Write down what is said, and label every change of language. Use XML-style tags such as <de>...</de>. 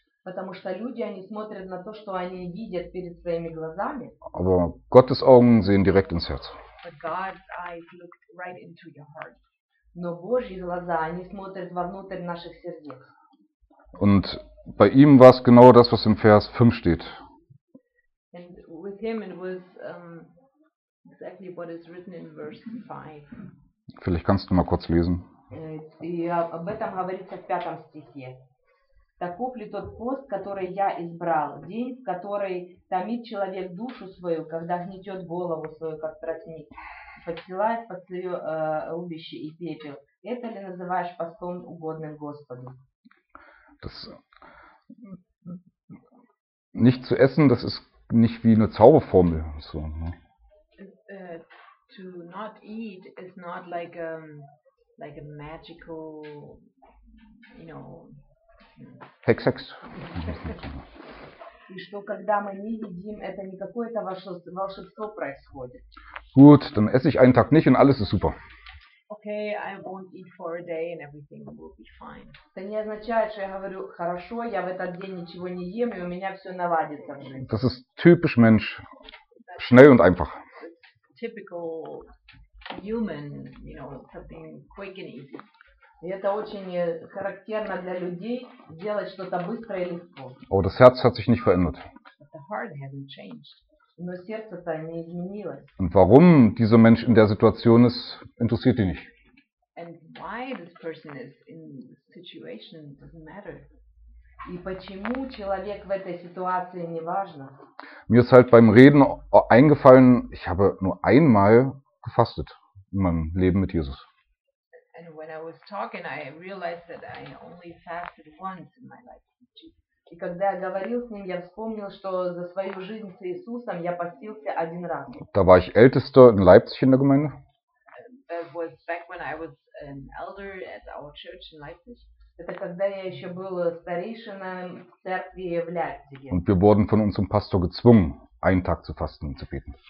<ru>Потому что люди, они смотрят на то, что они видят перед своими глазами.</ru> <de>Aber Gottes Augen sehen direkt ins Herz.</de> <en>But God's eyes look right into your heart.</en> <ru>Но Божьи глаза, они смотрят вовнутрь наших сердец.</ru> <de>Und bei ihm war es genau das, was im Vers 5 steht.</de> <en>And with him it was exactly what is written in verse 5.</en> <de>Vielleicht kannst du mal kurz lesen.</de> <ru>И об этом говорится в пятом стихе. Таков ли тот пост, который я избрал, день, в который томит человек душу свою, когда гнетет голову свою, как тростник, подсылает под свое рубище и пепел. Это ли называешь постом угодным Господу?</ru> <de>Das, nicht zu essen, das ist nicht wie eine Zauberformel. So, ne?</de> <en>To not eat is not like like a magical, you know.</en> <de>Hex.</de> <ru>И что, когда мы не едим, это не какое-то волшебство происходит.</ru> <de>Gut, dann esse ich einen Tag nicht und alles ist super.</de> <en>Okay, I won't eat for a day and everything will be fine.</en> <ru>Это не означает, что я говорю, хорошо, я в этот день ничего не ем и у меня все наладится в жизни.</ru> <de>Das ist typisch Mensch. Schnell und einfach.</de> <en>Typical human, you know, something quick and easy.</en> <ru>И это очень характерно для людей делать что-то быстро и легко.</ru> <de>Oh, das Herz hat sich nicht verändert.</de> <en>But the heart hasn't changed.</en> <ru>Но сердце-то не изменилось.</ru> <de>Und warum dieser Mensch in der Situation ist, interessiert ihn nicht.</de> <en>And why this person is in this situation doesn't matter.</en> <ru>И почему человек в этой ситуации не важно?</ru> <de>Mir ist halt beim Reden eingefallen, ich habe nur einmal gefastet in meinem Leben mit Jesus.</de> <en>And when I was talking, I realized that I only fasted once in my life with Jesus.</en> <ru>И когда я говорил с ним, я вспомнил, что за свою жизнь с Иисусом я постился один раз.</ru> <de>Da war ich Ältester in Leipzig in der Gemeinde.</de> <en>That was back when I was an elder at our church in Leipzig.</en> <ru>Это когда я еще был старейшиной в церкви в Лейпциге.</ru> <de>Und wir wurden von unserem Pastor gezwungen, einen Tag zu fasten und zu beten.</de>